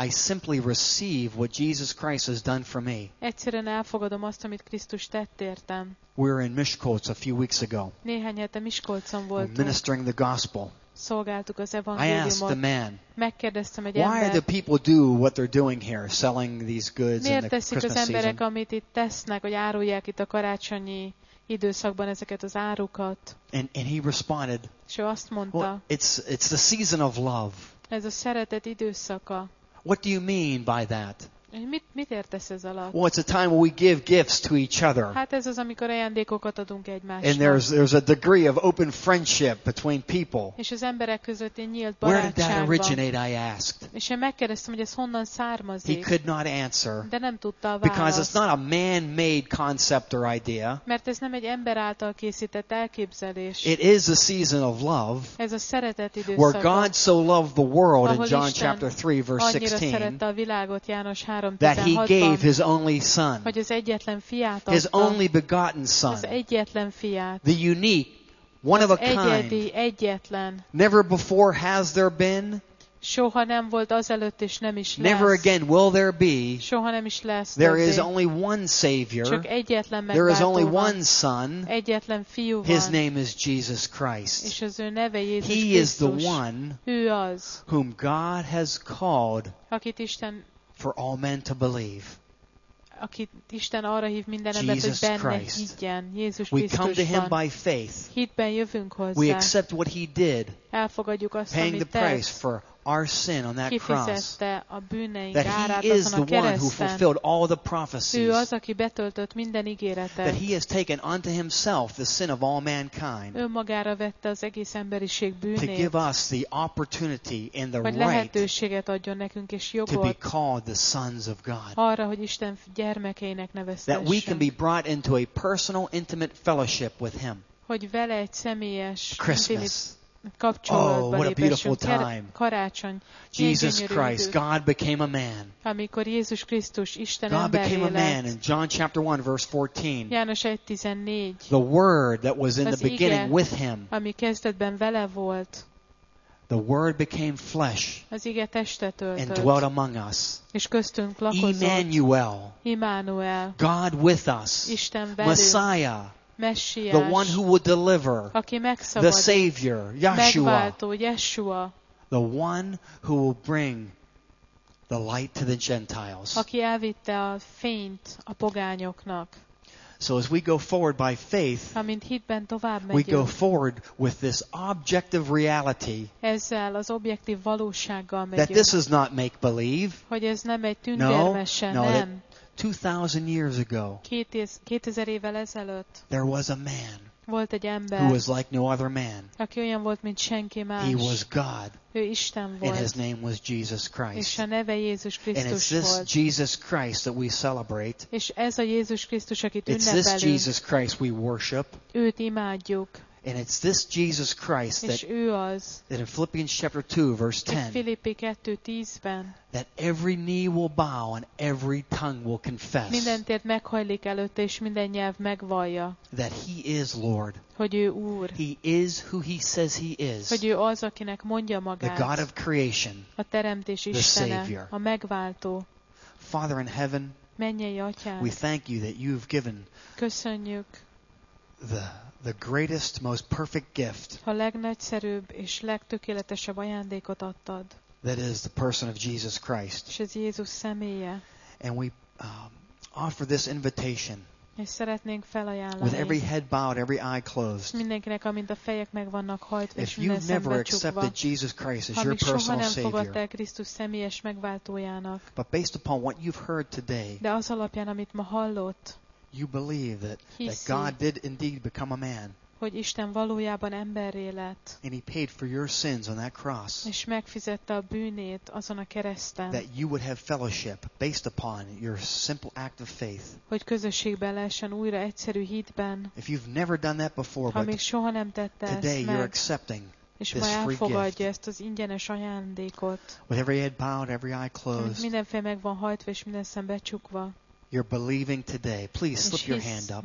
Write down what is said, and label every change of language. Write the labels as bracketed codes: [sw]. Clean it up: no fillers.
[en] I simply receive what Jesus Christ has done for me. [hu] Egyszerűen elfogadom azt, amit Krisztus tett értem. [en] We were in Miskolc a few weeks ago. [hu] Néhány hete Miskolcon voltunk. [en] Ministering the gospel. [hu] Szolgáltuk az evangéliumot. [en] I asked the man. [hu] Megkérdeztem egy [en] Why [hu] embert. [en] Why do people do what they're doing here, selling these goods [hu] Miért [en] in the Christmas season? [hu] Az emberek, amit itt tesznek, hogy árulják itt a karácsonyi időszakban ezeket az árukat. [en] And he responded, [hu] és ő azt mondta, [en] well, it's the season of love. [hu] Ez a szeretet időszaka. [en] What do you mean by that? [hu] Mit értesz ez alatt? [en] Well, it's a time when we give gifts to each other. [hu] Hát ez az, amikor ajándékokat adunk egymásnak. [en] And there's a degree of open friendship between people. [hu] És az emberek közötti nyílt barátság. [en] Where did that originate, I asked. [hu] És én megkérdeztem, hogy ez honnan származik. [en] He could not answer. [hu] De nem tudta a választ. [en] Because it's not a man-made concept or idea. [hu] Mert ez nem egy ember által készített elképzelés. [en] It is a season of love. [hu] Ez a szeretet időszaka. [en] Where God so loved the world in John chapter 3 verse 16. [hu] Annyira szerette a világot János [en] That he gave his only son, [hu] hogy az egyetlen fiát adta, [en] his only begotten son, [hu] az egyetlen fiát, [en] the unique, one [hu] az [en] of a kind, [hu] egyedi, egyetlen, [en] never before has there been, [hu] soha nem volt azelőtt és nem is lesz, [en] never again will there be, [hu] soha nem is lesz, [en] there is only one savior, [hu] csak egyetlen megváltó, [en] there is only one son, [hu] egyetlen fiú van, [en] his name is Jesus Christ, [hu] és az ő neve Jézus Krisztus, [en] he is the one, [hu] ő az, [en] whom God has called, [hu] akit Isten [en] for all men to believe. [hu] Akit Isten arra hív minden [en] Jesus [hu] embert, hogy benne [en] Christ. [hu] Higgyen, Jézus Krisztusban. [en] We come to him by faith. [hu] Hitben jövünk hozzá. [en] We accept what he did. [hu] elfogadjuk azt, [en] paying [hu] amit [en] the price for our sin on that cross, [hu] a bűneink [en] that he is the one who fulfilled all the prophecies, [hu] ő az, aki betöltött minden ígéretet, [en] that he has taken unto himself the sin of all mankind, [hu] önmagára vette az egész emberiség bűnét, [en] to give us the opportunity and the [hu] vagy lehetőséget adjon nekünk és jogot, [en] to be called the sons of God, [hu] arra, hogy Isten gyermekeinek neveztessünk, [en] that we can be brought into a personal, intimate fellowship with him, [hu] hogy vele egy személyes [en] Christmas. Oh, what a beautiful time. [hu] Karácsony. [en] Jesus Christ, God became a man. [hu] Amikor Jézus Krisztus Isten [en] God became a man in John chapter 1, verse 14. [hu] János 1:14. [en] The word that was in the beginning with him. [hu] Ami kezdetben vele volt. [en] The word became flesh. [hu] Az ige testet öltött. [en] And dwelt among us. [hu] És köztünk lakozott. [en] Emmanuel. [hu] Immanuel. [en] God with us. [hu] Isten velünk. [en] Messiah. [hu] Messiás, [en] the one who would deliver, [hu] aki megszabad, [en] the Savior, Yeshua, [hu] megváltó, Yeshua, [en] the one who will bring the light to the Gentiles, [hu] aki elvitte a fényt a pogányoknak. [en] So as we go forward by faith, [hu] amint hitben tovább megyünk, [en] we go forward with this objective reality, [hu] ezzel az objektív valósággal megyünk, [en] that this is not make-believe, [hu] hogy ez nem egy tündérmese, [en] no, no, 2000 years ago, [hu] 2000 évvel ezelőtt, [en] there was a man, [hu] volt egy ember, [en] who was like no other man, [hu] aki olyan volt, mint senki más. [en] He was God, [hu] ő Isten volt, [en] and his name was Jesus Christ, [hu] és a neve Jézus Krisztus, [en] and it's this [hu] volt. [en] Jesus Christ that we celebrate, [hu] és ez a Jézus Krisztus, akit ünnepelünk, [en] it's this Jesus Christ we worship, [hu] őt imádjuk, [en] and it's this Jesus Christ that, [hu] ő az, [en] that in Philippians chapter 2 verse 10, [hu] Filippi 2:10-ben, [en] that every knee will bow and every tongue will confess, [hu] minden tért meghajlik előtte, és minden nyelv megvallja, [en] that he is Lord, [hu] hogy ő Úr, [en] he is who he says he is, [hu] hogy ő az, akinek mondja magát, [en] the God of creation, [hu] a teremtés [en] the [hu] Istene, [en] Savior, [hu] a megváltó. [en] Father in heaven, [hu] mennyei Atyánk, [en] we thank you that you've given, [hu] köszönjük, [en] the greatest, most perfect gift, [hu] a legnagyszerűbb és legtökéletesebb ajándékot adtad, [en] that is the person of Jesus Christ, [hu] és ez Jézus személye, [en] and we offer this invitation, [hu] és szeretnénk felajánlani, [en] with every head bowed, every eye closed, [hu] mindenkinek, amint a fejek meg vannak hajtva, [en] if you've never accepted Jesus Christ as your personal Savior, [hu] ha még soha nem fogadtál Krisztus személyes megváltójának, [en] but based upon what you've heard today, [hu] de az alapján, amit ma hallott, [en] you believe that, that God did indeed become a man, [hu] hogy Isten valójában emberré lett, [en] and he paid for your sins on that cross, [hu] és megfizette a bűnét azon a kereszten, [en] that you would have fellowship based upon your simple act of faith, [hu] hogy közösségbe lehessen újra egyszerű hitben, [en] if you've never done that before, [hu] ha még soha nem tette ezt meg, [en] today you're accepting [hu] és [en] this [hu] ma elfogadja [en] gift, [hu] ezt az ingyenes ajándékot, [en] with every head bowed, every eye closed, [hu] minden fej meg van hajtva és minden szem becsukva, [en] you're believing today. Please slip your hand up.